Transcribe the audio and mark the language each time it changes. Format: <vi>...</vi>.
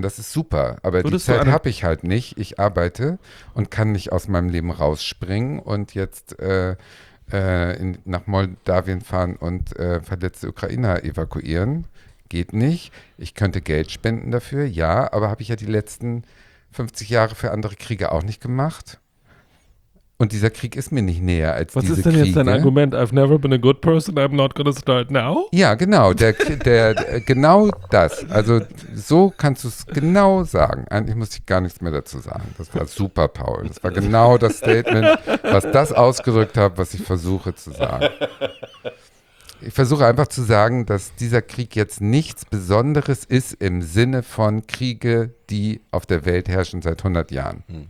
<de>Das ist super, aber würdest die Zeit habe ich halt nicht. Ich arbeite und kann nicht aus meinem Leben rausspringen und jetzt nach Moldawien fahren und verletzte Ukrainer evakuieren. Geht nicht. Ich könnte Geld spenden dafür, ja, aber habe ich ja die letzten 50 Jahre für andere Kriege auch nicht gemacht. Und dieser Krieg ist mir nicht näher als diese Kriege. Was ist denn jetzt dein Argument?</de> <en>I've never been a good person, I'm not gonna start now?</en> <de>Ja, genau. Der genau das. Also so kannst du es genau sagen. Eigentlich muss ich gar nichts mehr dazu sagen. Das war super, Paul. Das war genau das Statement, was das ausgedrückt hat, was ich versuche zu sagen. Ich versuche einfach zu sagen, dass dieser Krieg jetzt nichts Besonderes ist im Sinne von Kriege, die auf der Welt herrschen seit 100 Jahren.</de>